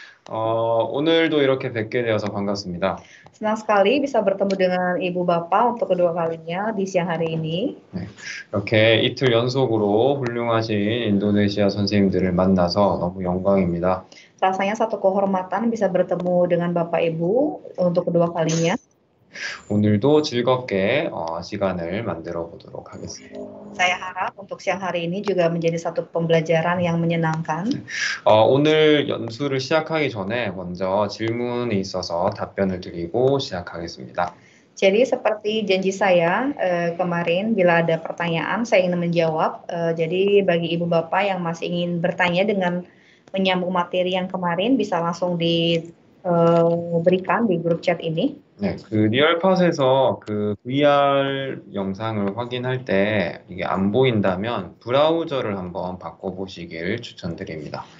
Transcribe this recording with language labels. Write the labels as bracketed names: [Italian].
[Korean] 오늘도 이렇게 뵙게 되어서 반갑습니다. [Indonesian] Senang sekali bisa bertemu dengan ibu bapak untuk kedua kalinya di siang hari ini. [Korean] 네, 이렇게 이틀 연속으로 훌륭하신 인도네시아 선생님들을 만나서 너무 영광입니다. [Indonesian] Rasanya satu kehormatan bisa bertemu dengan bapak ibu untuk kedua kalinya. [Korean] 오늘도 즐겁게 시간을 만들어 보도록 하겠습니다. [Indonesian] Saya harap untuk siang hari ini juga menjadi satu pembelajaran yang menyenangkan. [Korean] 오늘 연수를 시작하기 전에 먼저 질문이 있어서 답변을 드리고 시작하겠습니다. [Indonesian] Jadi seperti janji saya kemarin bila ada pertanyaan saya ingin menjawab. Jadi bagi ibu bapak yang masih ingin bertanya dengan menyambung materi yang kemarin bisa langsung di berikan di grup chat ini. [Korean] 네, 그 리얼팟에서 그 VR 영상을 확인할 때 이게 안 보인다면 브라우저를 한번 바꿔보시길 추천드립니다.